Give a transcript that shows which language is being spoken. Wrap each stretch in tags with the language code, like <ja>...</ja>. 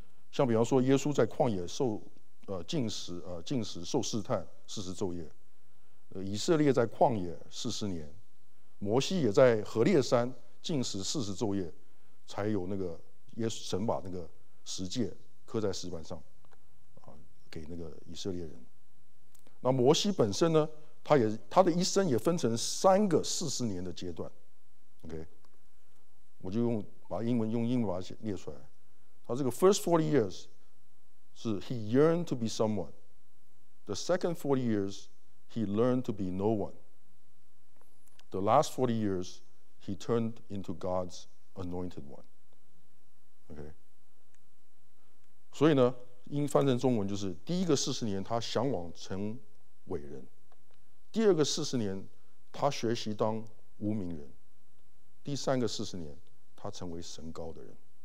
<zh>像比方说耶稣在旷野受禁食受试探四十昼夜，以色列在旷野四十年，摩西也在何烈山禁食四十昼夜，才有那个耶稣神把那个十诫刻在石板上，给那个以色列人。那摩西本身呢，他的一生也分成三个四十年的阶段。 OK， 我就用英文把它列出来。他这个</zh> <en>first 40 years。 是 he yearned to be someone. The second 40 years, he learned to be no one. The last 40 years, he turned into God's anointed one. Okay.</en> <zh>所以呢，应翻成中文就是：第一个四十年，他向往成伟人；第二个四十年，他学习当无名人；第三个四十年，他成为神高的人。</zh>